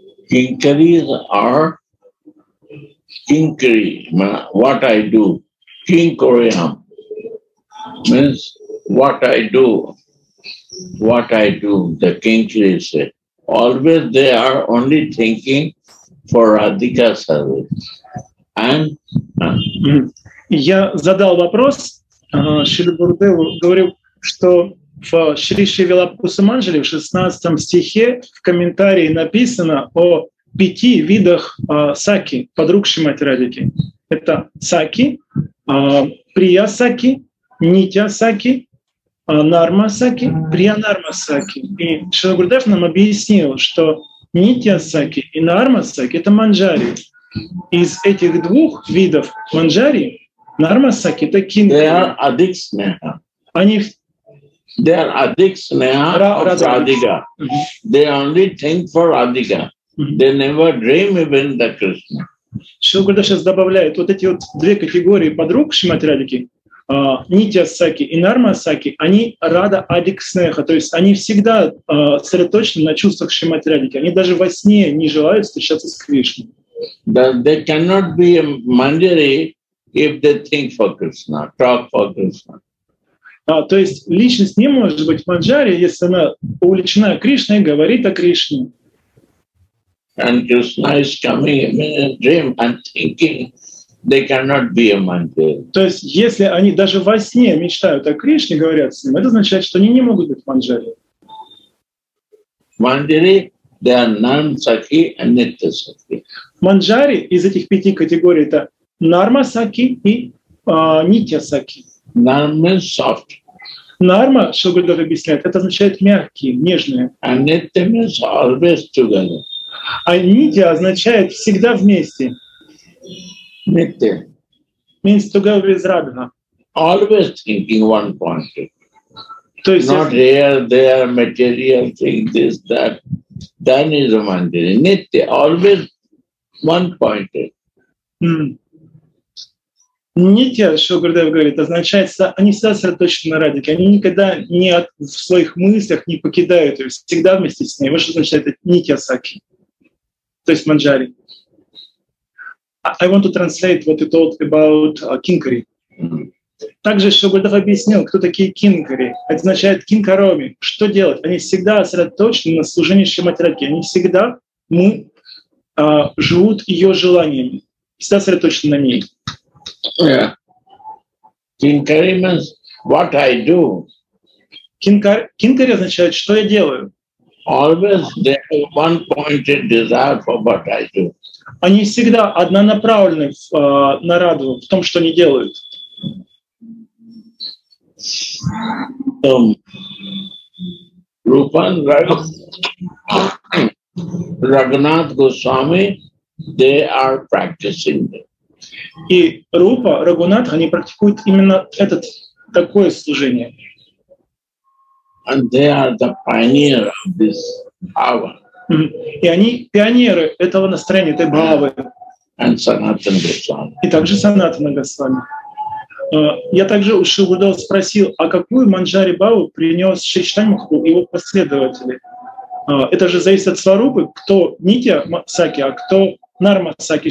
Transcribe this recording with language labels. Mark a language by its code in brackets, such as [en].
[en] Kinkaris are kinkari, what I do. Kinkoriam means what I do. What I do, the kinkari say. Always they are only thinking for Radhika service. And [ru] я задал вопрос Шри Гурудеву, говорю, что в Шри Шри Вилапа Кусуманджали в 16 стихе в комментарии написано о пяти видах сакхи, подруг Шримати Радхики. Это сакхи, прия сакхи, нитя сакхи, нарма сакхи, прия нарма сакхи. И Шрила Гурудев нам объяснил, что нитя сакхи и нарма сакхи — это манджари. Из этих двух видов манджари нарма сакхи — это кинкари. Они [en] they are adhik sneha of Radhika. They only think for Radhika. They never dream even the Krishna. [ru] Шрила Гурудев сейчас добавляет, вот эти вот две категории подруг Шримати Радхики, нитя сакхи и нарма сакхи, они рада адик снеха, то есть они всегда сосредоточены на чувствах Шримати Радхики, они даже во сне не желают встречаться с Кришной. [en] That they cannot be a manjari if they think for Krishna, talk for Krishna. [ru] То есть личность не может быть манджари, если она увлечена Кришной и говорит о Кришне. [en] And Krishna is coming in a dream and thinking they cannot be a manjari. [ru] То есть если они даже во сне мечтают о Кришне, говорят с ним, это означает, что они не могут быть манджари. [en] Манджари, they are нарма-сакхи and нитья-сакхи. [ru] Манджари из этих пяти категорий — это нарма-сакхи и нитья-сакхи. [en] Нарма — soft. [ru] Нарма, Шрила Гурудев объясняет, это означает мягкие, нежные. [en] And нитья — means always together. [ru] А нитья означает всегда вместе. Нитья. [en] Means together with Radha. Always thinking one point. [ru] То есть [en] not here, there, material thing, this, that. Then is a mandiri. Нитья. Always one point. [ru] Нитья, Шрила Гурудев говорит, означает, что они всегда сосредоточены на Радике. Они никогда не в своих мыслях не покидают ее. Всегда вместе с ней. Вот что означает нитья сакхи. То есть манджари. [en] I want to translate what you told about kinkari. [ru] Также Шрила Гурудев объяснил, кто такие кинкари. Это означает кинкароми. Что делать? Они всегда сосредоточены на служении Шримати Радхике. Они всегда живут ее желаниями. Всегда сосредоточены на ней. [en] Кинкари means what I do. [ru] Кинкари означает, что я делаю. [en] Always they have one-pointed desire for what I do. [ru] Они всегда однонаправлены на радугу в том, что они делают. [en] Рупан Рагхунат Госвами, they are practicing them. [ru] И Рупа, Рагхунатха, они практикуют именно это такое служение. [en] And they are the pioneer of this bhava. Mm-hmm. [ru] И они пионеры этого настроения, этой бхавы. [en] And Sanatana Goswami. [ru] И также Санатана Госвами. Я также у Шрилы Гурудева спросил, а какую манджари бхаву принес Шри Чайтанья Махапрабху и его последователи? Это же зависит от сварупы, кто нитья сакхи, а кто нарма сакхи.